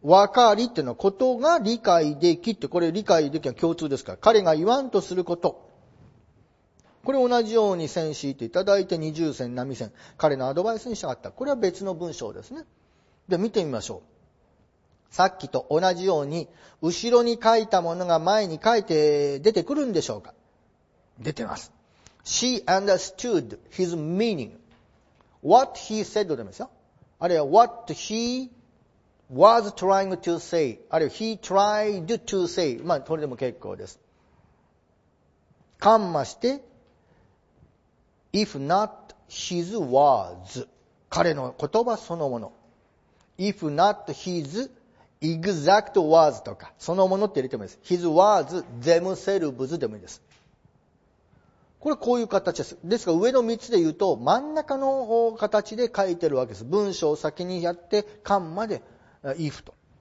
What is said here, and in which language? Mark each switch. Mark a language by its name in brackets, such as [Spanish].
[Japanese] わかりっていうのはことが理解できって、これ理解できは共通ですから、彼が言わんとすること、これ同じように線敷いていただいて二重線、波線、彼のアドバイスに従った。これは別の文章ですね。で、見てみましょう。さっきと同じように、後ろに書いたものが前に書いて出てくるんでしょうか？出てます。 [English] She understood his meaning. [Japanese] What he said でもいいですよ。 [English] あるいは what he was trying to say. あるいは he tried to say. [Japanese] まあ、それでも結構です。 [English] カンマして、 if not his words. [Japanese] 彼の言葉そのもの。 if not his exact words とか、そのものって入れてもいいです。 his words themselves でもいいです。これこういう形です。ですが上の3つで言うと、真ん中の形で書いてるわけです。文章を先にやって、カンマで if と。